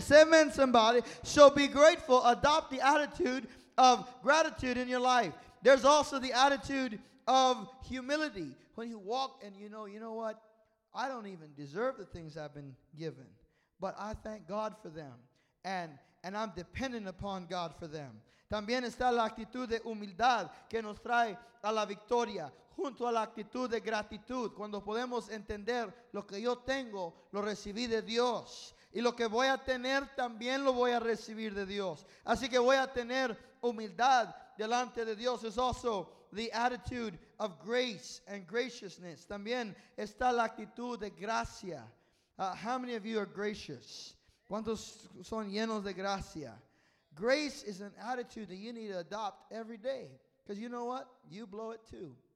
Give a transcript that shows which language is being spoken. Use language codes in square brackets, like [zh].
[en] Say amen, somebody. So be grateful. Adopt the attitude of gratitude in your life. There's also the attitude of humility. When you walk and you know what? I don't even deserve the things I've been given, but I thank God for them. And I'm dependent upon God for them. [es] También está la actitud de humildad que nos trae a la victoria, junto a la actitud de gratitud. Cuando podemos entender lo que yo tengo, lo recibí de Dios. Y lo que voy a tener, también lo voy a recibir de Dios. Así que voy a tener humildad delante de Dios. [en] It's also the attitude of grace and graciousness. [es] También está la actitud de gracia. [en] How many of you are gracious? [es] ¿Cuántos son llenos de gracia? [en] Grace is an attitude that you need to adopt every day. Because you know what? You blow it too.